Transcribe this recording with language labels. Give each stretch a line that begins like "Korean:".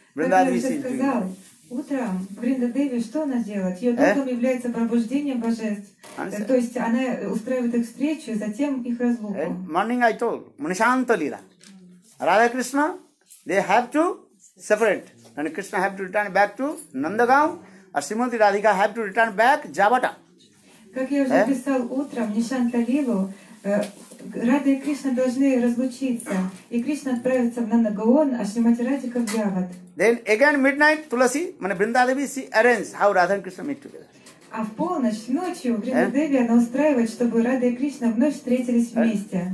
English: Vrinda Devi is duty.
Russian: Утром Вринда Деви, что она делает? Ее долгом является пробуждение божеств. То есть она устраивает их встречу, затем их разлуку.
English: Morning I told, Munishanta Lila. Radha Krishna, they have to separate. And Krishna have to return back to Nandagaon. And Srimati Radhika have to return back to Javata.
Russian: Как я уже писал утром, Нишанта Лилу, Радха и Кришна должны разлучиться. И Кришна отправится в Нандагаон, а Шримати Радхика в Джават.
English: Then again midnight Tulasi, Mane Vrinda Devi, she arranges how Radha and Krishna meet together.
Russian: А в полночь, ночью, Vrinda Devi, она устраивает, чтобы Радха и Кришна вновь встретились вместе.